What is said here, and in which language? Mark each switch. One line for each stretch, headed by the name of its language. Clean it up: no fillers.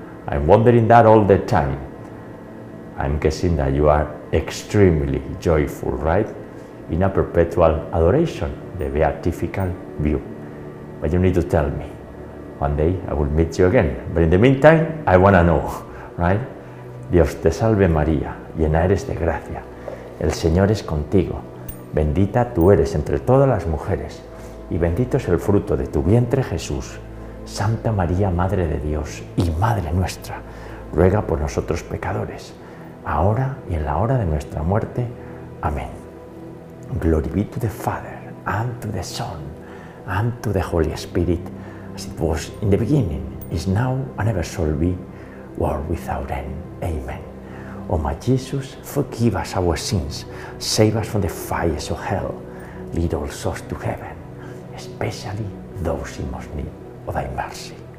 English: I'm wondering that all the time. I'm guessing that you are extremely joyful, right? In a perpetual adoration, the beatifical view. But you need to tell me. One day I will meet you again. But in the meantime, I want to know, right?
Spanish: Dios te salve María, llena eres de gracia. El Señor es contigo. Bendita tú eres entre todas las mujeres. Y bendito es el fruto de tu vientre, Jesús. Santa María, Madre de Dios y Madre nuestra, ruega por nosotros pecadores, ahora y en la hora de nuestra muerte. Amén.
English: Glory be to the Father, and to the Son, and to the Holy Spirit, as it was in the beginning, is now, and ever shall be, world without end. Amen. O my Jesus, forgive us our sins, save us from the fires of hell, lead all souls to heaven, especially those in most need of thy mercy.